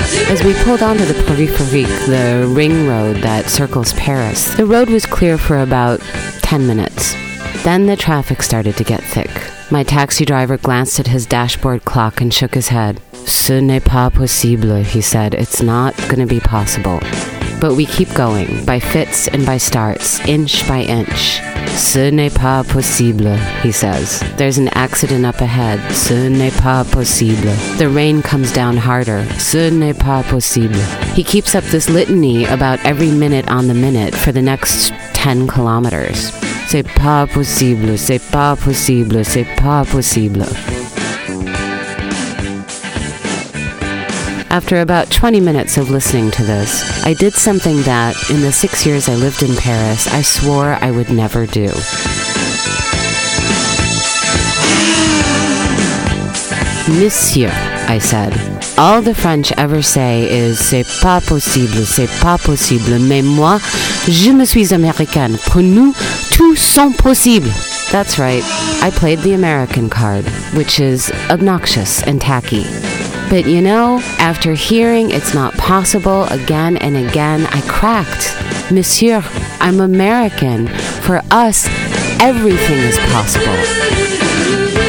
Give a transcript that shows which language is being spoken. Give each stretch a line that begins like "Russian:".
English: As we pulled onto the Périphérique, the ring road that circles Paris, the road was clear for about 10 minutes. Then the traffic started to get thick. My taxi driver glanced at his dashboard clock and shook his head.
French: Ce n'est pas possible,
English: he said. It's not gonna be possible. But we keep going, by fits and by starts, inch by inch.
French: Ce n'est pas possible,
English: he says. There's an accident up ahead.
French: Ce n'est pas possible.
English: The rain comes down harder.
French: Ce n'est pas possible.
English: He keeps up this litany about every minute on the minute for the next 10 kilometers.
French: C'est pas possible, c'est pas possible, c'est pas possible.
English: After about 20 minutes of listening to this, I did something that, in the 6 years I lived in Paris, I swore I would never do. Monsieur, I said. All the French ever say is,
French: c'est pas possible, mais moi, je me suis américaine. Pour nous, tout sont possible.
English: That's right, I played the American card, which is obnoxious and tacky. But you know, after hearing it's not possible again and again, I cracked. Monsieur, I'm American. For us, everything is possible.